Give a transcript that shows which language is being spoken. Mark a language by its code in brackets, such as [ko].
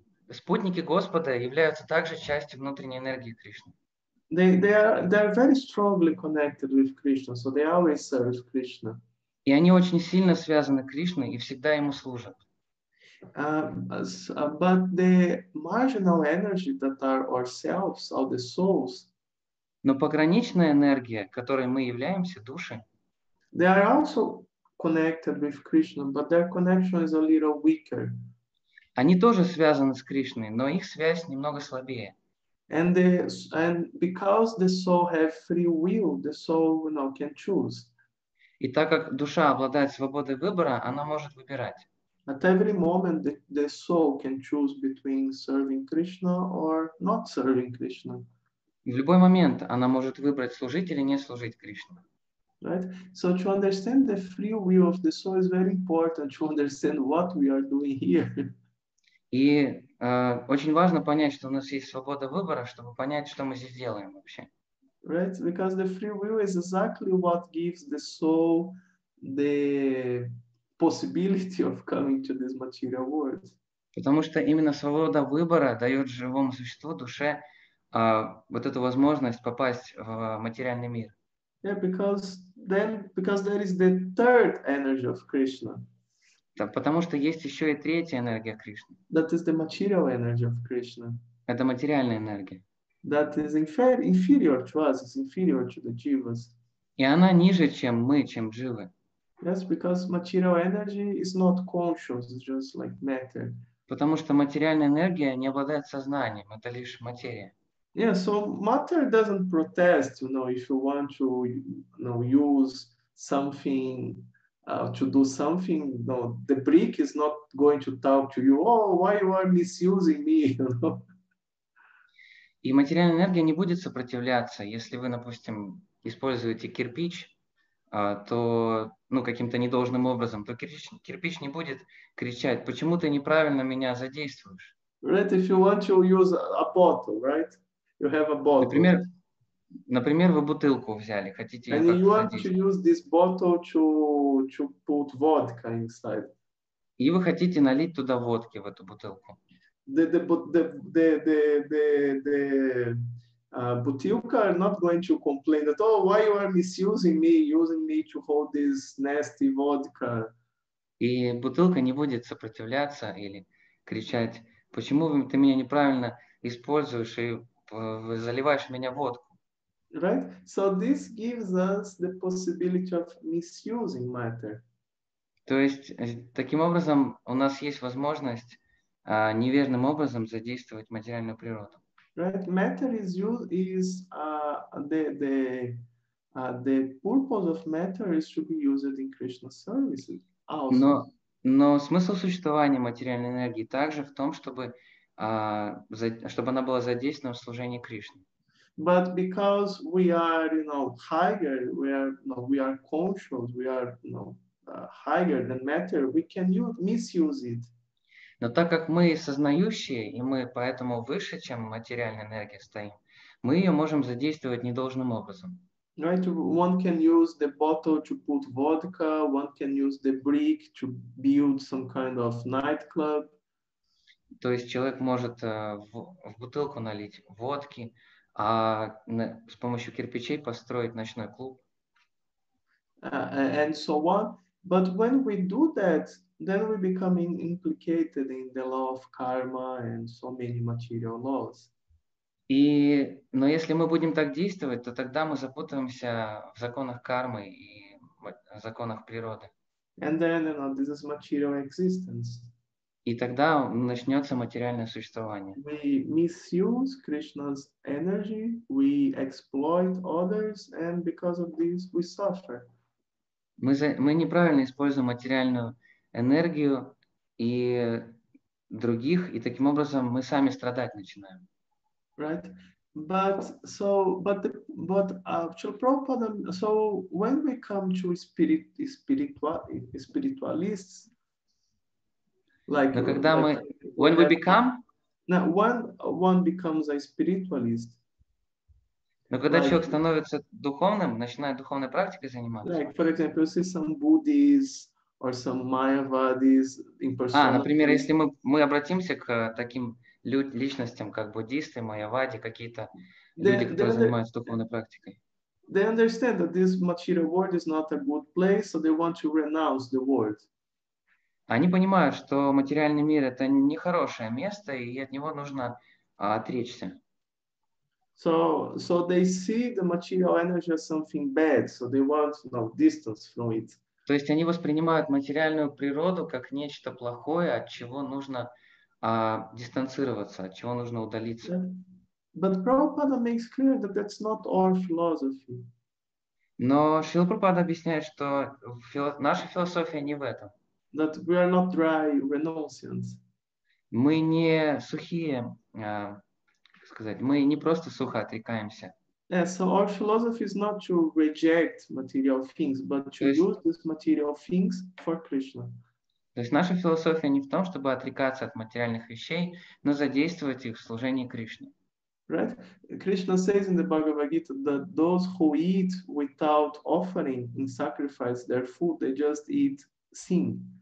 [ru] Спутники Господа являются также частью внутренней энергии Кришны. [en] They are very strongly connected with Krishna, so they always serve Krishna. [ru] И они очень сильно связаны с Кришной и всегда ему служат. [en] But the marginal energy that are ourselves, all the souls. [ru] Но пограничная энергия, которой мы являемся, души. [en] They are also connected with Krishna, but their connection is a little weaker. [ru] Они тоже связаны с Кришной, но их связь немного слабее. [en] And because the soul have free will, the soul, you know, can choose. [ru] И так как душа обладает свободой выбора, она может выбирать. [en] At every moment the soul can choose between serving Krishna or not serving Krishna. [ru] В любой момент она может выбрать служить или не служить Кришне. [en] Right? So to understand the free will of the soul is very important to understand what we are doing here. [ru] И очень важно понять, что у нас есть свобода выбора, чтобы понять, что мы здесь делаем вообще. [en] Right, because the free will is exactly what gives the soul the possibility of coming to this material world. [ru] Потому что именно свобода выбора дает живому существу, душе, вот эту возможность попасть в материальный мир. [en] Yeah, because there is the third energy of Krishna. [ru] Потому что есть еще и третья энергия Кришны. [en] That is the material energy of Krishna. [ru] Это материальная энергия. [en] That is inferior to us, it's inferior to the jivas. [ru] И она ниже, чем мы, чем дживы. [en] Yes, because material energy is not conscious, it's just like matter. [ru] Потому что материальная энергия не обладает сознанием, это лишь материя. [en] Yeah, so matter doesn't protest, you know, if you want to, you know, use something. To do something, no, the brick is not going to talk to you. Oh, why you are misusing me? You know? [ru] И материальная энергия не будет сопротивляться, если вы, допустим, используете кирпич, то, ну, каким-то недолжным образом, то кирпич не будет кричать: почему ты неправильно меня задействуешь? [en] Right, if you want to use a bottle, right? You have a bottle. [ru] Например, вы бутылку взяли, хотите ее как-то задействовать. [en] And you want to use this bottle to put vodka inside. [ru] И вы хотите налить туда водки в эту бутылку. [en] The Butilka are not going to complain that, oh, why you are misusing me, using me to hold this nasty vodka. [ru] И бутылка не будет сопротивляться или кричать, почему ты меня неправильно используешь и заливаешь меня водку. [en] Right? So this gives us the possibility of misusing matter. [ru] То есть, таким образом, у нас есть возможность неверным образом задействовать материальную природу. [en] Right? Matter is used is the purpose of matter is to be used in Krishna services. Awesome. [ru] Но смысл существования материальной энергии также в том, чтобы она была задействована в служении Кришне. [en] But because we are, you know, higher, we are conscious, we are, you know, higher than matter, we can misuse it. [ru] Но так как мы сознающие, и мы поэтому выше, чем материальная энергия стоим, мы ее можем задействовать недолжным образом. [en] Right, one can use the bottle to put vodka, one can use the brick to build some kind of nightclub. [ru] То есть человек может в бутылку налить водки, а с помощью кирпичей построить ночной клуб. [en] And so on. But when we do that, then we become implicated in the law of karma and so many material laws. [ru] Но если мы будем так действовать, то тогда мы запутаемся в законах кармы и законах природы. [en] And then, you know, this is material existence. [ru] И тогда начнется материальное существование. [en] We misuse Krishna's energy, we exploit others, and because of this we suffer. [ru] Мы неправильно используем материальную энергию и других, и таким образом мы сами страдать начинаем. [en] Right, but when we come to spiritualists, like when one becomes a spiritualist. [ru] Но когда [en] like, [ru] человек становится духовным, начинает духовной практикой заниматься. [en] Like, for example, you see some Buddhists or some Mayavadis in person. [ru] Например, если мы обратимся к таким личностям, как буддисты, майявади, какие-то люди, которые занимаются духовной практикой. [en] They understand that this material world is not a good place, so they want to renounce the world. [ru] Они понимают, что материальный мир это нехорошее место, и от него нужно отречься. [en] So they see the material energy as something bad, so they want to know distance from it. [ru] То есть они воспринимают материальную природу как нечто плохое, от чего нужно дистанцироваться, от чего нужно удалиться. [en] But Prabhupada makes clear that that's not our philosophy. [ru] Но Шрила Прабхупада объясняет, что наша философия не в этом. [en] That we are not dry renunciants. [ru] Мы не сухие, сказать, мы не просто сухо отрекаемся. [en] Yeah, so our philosophy is not to reject material things, but to use these material things for Krishna. [ru] То есть наша философия не в том, чтобы отрекаться от материальных вещей, но задействовать их в служении Кришне. [en] Right? Krishna says in the Bhagavad Gita that those who eat without offering in sacrifice their food, they just eat sin.